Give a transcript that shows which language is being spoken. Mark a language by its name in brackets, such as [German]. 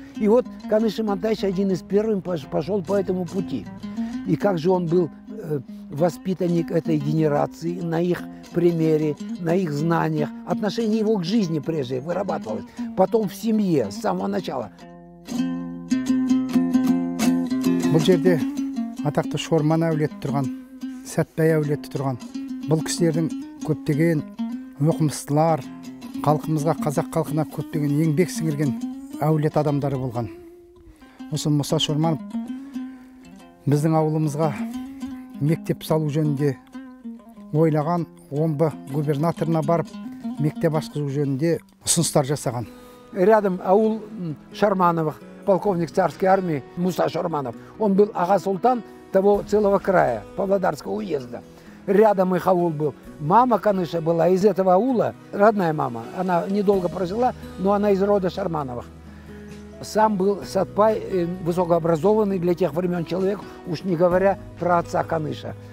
[Russian] И вот Каныш Имантайевич один из первых пошел по этому пути. И как же он был воспитанник этой генерации, на их примере, на их знаниях. Отношение его к жизни прежде вырабатывалось. Потом в семье, с самого начала. [Kazakh] Бұл жерде атақты Шорман әулеті тұрған, Сәтбай әулеті тұрған. Бұл кісілердің көптеген оқымыстылар, қалқымызға, қазақ қалқына көптеген еңбек сіңірген әулет адамдары болған. Осы Мұса Шорманов біздің ауылымызға мектеп салу жөнінде ойлаған, омбы губернаторына барып, мектеп ашқызу жөнінде ұсыныстар жасаған. [Russian] Рядом ауыл Шармановых, полковник царской армии Муса Шарманов. Он был аға-султан того целого края, Павлодарского уезда. Рядом их аул был. Мама Каныша была из этого аула, родная мама. Она недолго прожила, но она из рода Шармановых. Сам был Сатпай, высокообразованный для тех времен человек, уж не говоря про отца Каныша.